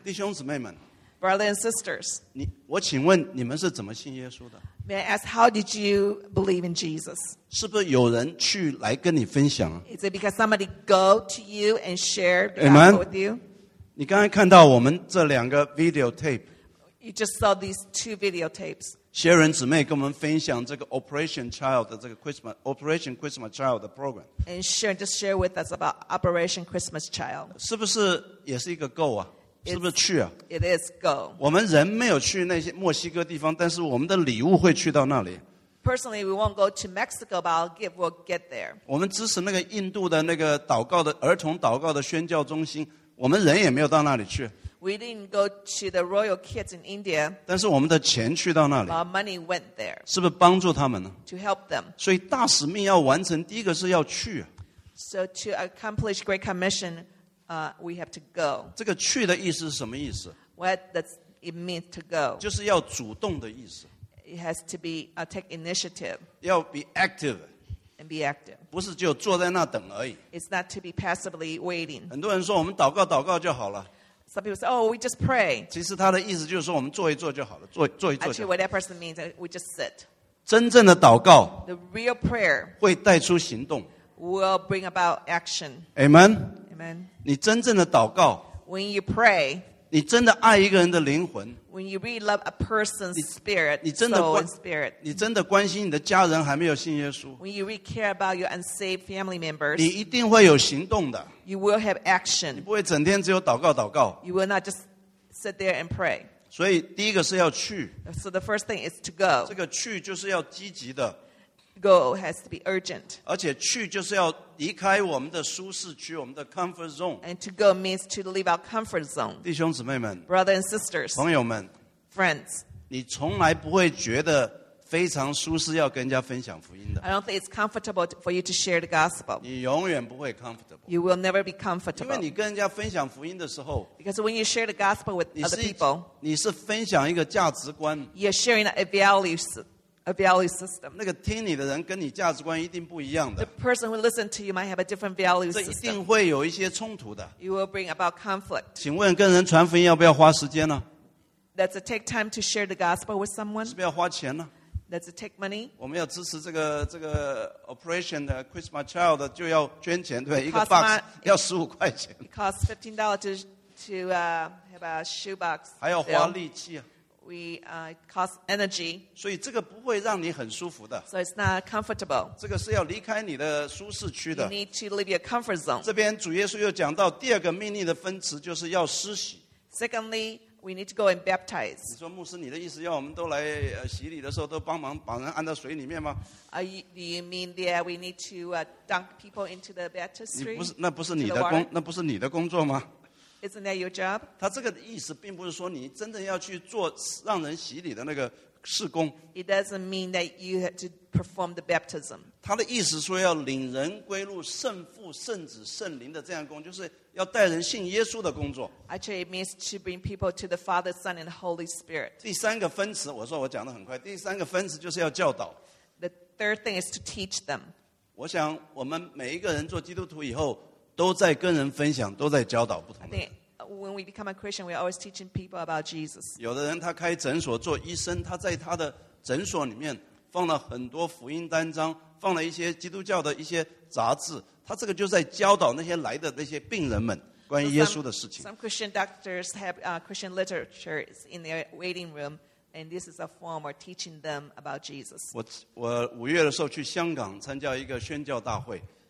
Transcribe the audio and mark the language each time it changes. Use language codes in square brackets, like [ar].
[zh] 弟兄姊妹们 [en] ，Brothers and sisters， [zh] 你我请问你们是怎么信耶稣的 [en] ？May I ask how did you believe in Jesus？ [zh] 是不是有人去来跟你分享 [en] ？Is it because somebody go to you and share the gospel with you？ [zh] 你刚才看到我们这两个 videotape。 [en] You just saw these two videotapes. [zh] 学人姊妹跟我们分享这个 Operation Child 的这个 Christmas Operation Christmas Child 的 program. [en] And share just share with us about Operation Christmas Child. [zh] 是不是也是一个 go 啊？ [en] It's, [zh] 是不是去啊？ [en] It is go. [zh] 我们人没有去那些墨西哥地方，但是我们的礼物会去到那里。 [en] Personally, we won't go to Mexico, but our gift will get there. [zh] 我们支持那个印度的那个祷告的儿童祷告的宣教中心，我们人也没有到那里去。 [en] We didn't go to the royal kids in India. [zh] 但是我们的钱去到那里。 [en] Our money went there. [zh] 是不是帮助他们呢 [en] ？To help them. [zh] 所以大使命要完成，第一个是要去。 [en] So to accomplish Great Commission, we have to go. [zh] 这个去的意思是什么意思 [en] ？What does it mean to go? [zh] 就是要主动的意思。 [en] It has to be take initiative. [zh] 要 [en] be active. And be active. [zh] 不是只有坐在那等而已。 [en] It's not to be passively waiting. [zh] 很多人说我们祷告祷告就好了。 [en] Some people say, "Oh, we just pray." [zh] 其实他的意思就是说，我们坐一坐就好了，坐一坐。 [en] Actually, what that person means, we just sit. [zh] 真正的祷告 [en] ，the real prayer， [zh] 会带出行动 [en] ，will bring about action. Amen. Amen. [zh] 你真正的祷告 [en] ，when you pray， [zh] 你真的爱一个人的灵魂 [en] ，when you really love a person's spirit， [zh] 你真的 [en] soul and spirit， [zh] 你真的关心你的家人还没有信耶稣 [en] ，when you really care about your unsaved family members， [zh] 你一定会有行动的。 [en] You will have action. [zh] 你不会整天只有祷告祷告。 [en] You will not just sit there and pray. [zh] 所以第一个是要去。 [en] So the first thing is to go. [zh] 这个去就是要积极的。 [en] Go has to be urgent. [zh] 而且去就是要离开我们的舒适区，我们的 comfort zone. [en] And to go means to leave our comfort zone. [zh] 弟兄姊妹们 [en] ，brothers and sisters， [zh] 朋友们 [en] ，friends， [zh] 你从来不会觉得非常舒适要跟人家分享福音的。 [en] I don't think it's comfortable for you to share the gospel. [zh] 你永远不会 comfortable. [en] You will never be comfortable. [zh] 因为你跟人家分享福音的时候 [en] ，because when you share the gospel with other people, [zh] 你是分享一个价值观。 [en] You're sharing a value system. [zh] 那个听你的人跟你价值观一定不一样的。 [en] The person who listens to you might have a different value system. [zh] 这一定会有一些冲突的。 [en] You will bring about conflict. [zh] 请问跟人传福音要不要花时间呢 [en] ？Does it take time to share the gospel with someone? [zh] 是不是要花钱呢？ [en] Does it take money? [zh] 我们要支持这个 operation 的 Christmas Child 就要捐钱，对，一个 [en] box [zh] 要15块钱。 [en] It costs $15 to have a shoebox. [zh] 还要花力气啊。 [en] We cost energy. [zh] 所以这个不会让你很舒服的。 [en] So it's not comfortable. [zh] 这个是要离开你的舒适区的。 [en] You need to leave your comfort zone. [zh] 这边主耶稣又讲到第二个命令的分词，就是要施洗。 [en] Secondly, We need to go and baptize. [zh] 你说牧师，你的意思要我们都来洗礼的时候都帮忙把人按到水里面吗？ [en] Do you mean that we need to dunk people into the baptistry? [zh] 你不是，那不是你的工，那不是你的工作吗？ [en] Isn't that your job? [zh] 他这个意思并不是说你真的要去做让人洗礼的那个事工。 [en] It doesn't mean that you have to perform the baptism. [zh] 他的意思说要领人归入圣父、圣子、圣灵的这样工，就是要带人信耶稣的工作。 [en] Actually, it means to bring people to the Father, Son, and Holy Spirit. [zh] 第三个分词，我说我讲得很快。第三个分词就是要教导。 [en] The third thing is to teach them. [zh] 我想我们每一个人做基督徒以后，都在跟人分享，都在教导不同的人。 [en] When we become a Christian, we're always teaching people about Jesus. [zh] 有的人他开诊所做医生，他在他的诊所里面放了很多福音单张，放了一些基督教的一些杂志，他这个就在教导那些来的那些病人们关于耶稣的事情。 [en] Some Christian doctors have Christian literature in their waiting room, and this is a form of teaching them about Jesus. [zh] 我五月的时候去香港参加一个宣教大会。